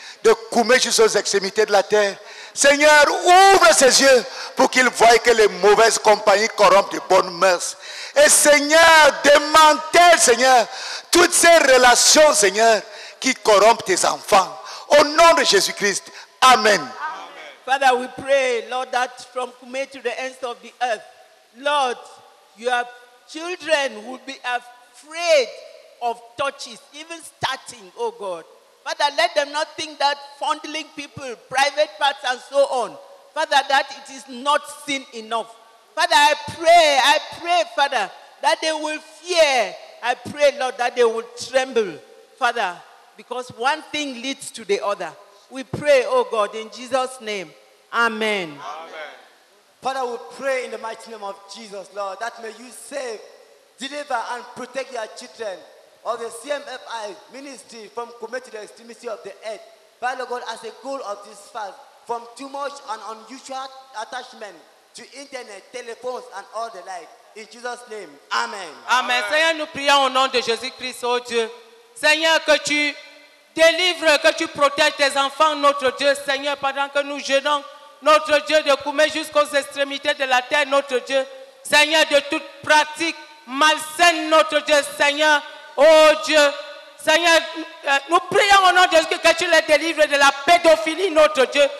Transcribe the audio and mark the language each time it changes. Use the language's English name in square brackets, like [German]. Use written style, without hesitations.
[French] De Koumé jusqu'aux extrémités de la terre. Seigneur, ouvre ses yeux pour qu'il voie que les mauvaises compagnies corrompent de bonnes mœurs. Et Seigneur, démantèle, Seigneur, toutes ces relations, Seigneur, qui corrompent tes enfants. Au nom de Jésus-Christ, amen. Amen. [English] Father, we pray, Lord, that from Koumé to the ends of the earth, Lord, your children will be afraid of touches, even starting, oh God. Father, let them not think that fondling people, private parts and so on, Father, that it is not sin enough. Father, I pray, Father, that they will fear. I pray, Lord, that they will tremble, Father, because one thing leads to the other. We pray, oh God, in Jesus' name. Amen. Amen. Father, we pray in the mighty name of Jesus, Lord, that may you save, deliver, and protect your children of the CMFI ministry from Koumé to the extremity of the earth. Father God, as a goal of this fast, from too much and unusual attachment to internet, telephones, and all the like. In Jesus' name, amen. Amen. [French] Seigneur, nous prions au nom de Jésus-Christ, oh Dieu. Seigneur, que tu délivres, que tu protèges tes enfants, notre Dieu, Seigneur, pendant que nous jeûnons, notre Dieu, de Koumé jusqu'aux extrémités de la terre, notre Dieu. Seigneur, de toute pratique malsaine, notre Dieu, Seigneur, oh Dieu, Seigneur, nous prions au nom de Jésus que tu les délivres de la pédophilie, notre Dieu.